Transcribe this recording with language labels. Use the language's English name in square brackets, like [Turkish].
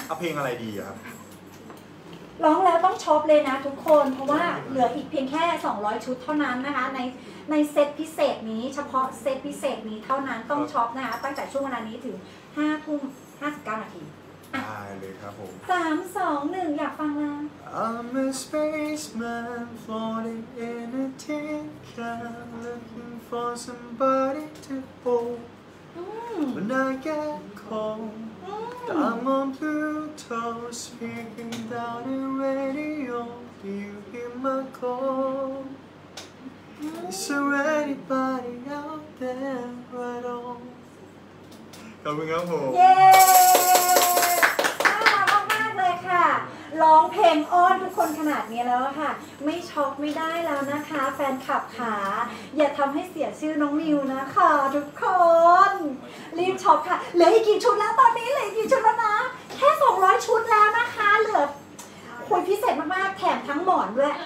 [Thai] เอาเพลงอะไรดีครับ ร้องแล้วต้องช็อปเลยนะทุกคนเพราะว่าเหลืออีกเพียงแค่200ชุดเท่านั้นนะคะในเซตพิเศษนี้เฉพาะเซตพิเศษนี้เท่านั้นต้องช็อปนะคะตั้งแต่ช่วงเวลานี้ถึง 5:59 น. ได้เลยครับผม 3 2 1อยากฟังแล้ว [English] I'm a spaceman floating in a tin can looking for somebody to hold when I get coldI'm on Pluto, speaking down the radio. Do you hear my call? Is there anybody out there at all? Coming up home. Yeah! [Thai] น่ารักมากเลยค่ะร้องเพลงอ้อนทุกคนขนาดนี้แล้วค่ะไม่ช็อกไม่ได้แล้วนะคะแฟนคลับขาอย่าทำให้เสียชื่อน้องมิวนะคะทุกคนรีบช็อกค่ะเหลืออีกกี่ชุดแล้วตอนนี้เหลืออีกกี่ชุดแล้วนะแค่200ชุดแล้วนะคะเหลือคุณพิเศษมากๆแถมทั้งหมอนด้วย